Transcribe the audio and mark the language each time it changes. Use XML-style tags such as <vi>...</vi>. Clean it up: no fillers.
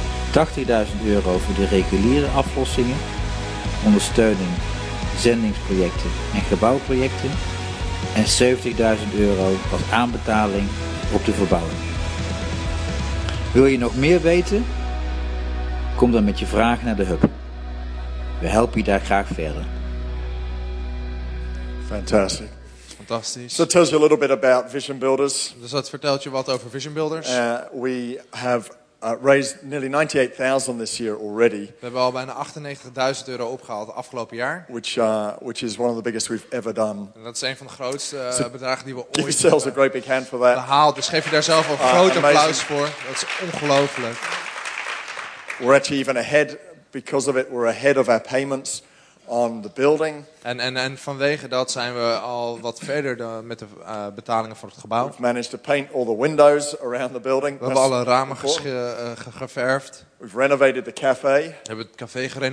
<nl>€80.000 voor de reguliere aflossingen, ondersteuning, zendingsprojecten en gebouwprojecten en €70.000 als aanbetaling op de verbouwing. Wil je nog meer weten? Kom dan met je vragen naar de hub. We helpen je daar graag verder.</nl> <en>Fantastic.</en> <nl>Fantastisch.</nl> <en>So it tells you a little bit about Vision Builders.</en> <nl>Dus dat vertelt je wat over Vision Builders.</nl> <en>We have raised nearly 98,000 this year already.</en> <nl>We hebben al bijna €98.000 opgehaald afgelopen jaar.</nl> <en>Which is one of the biggest we've ever done.</en> <nl>En dat is een van de grootste bedragen die we ooit hebben.</nl> <en>Give yourselves a great big hand for that.</en> <nl>Behaald. Dus geef je daar zelf een groot applaus voor. Dat is ongelooflijk.</nl> <en>We're actually even ahead because of it. We're ahead of our payments on the building.</en> <nl>En vanwege dat zijn we al wat verder met de betalingen voor het gebouw.</nl> <en>We've managed to paint all the windows around the building.</en> <nl>We hebben alle ramen geverfd.</nl> <en>We've renovated the cafe.</en> <nl>We hebben het café gerenoveerd.</nl>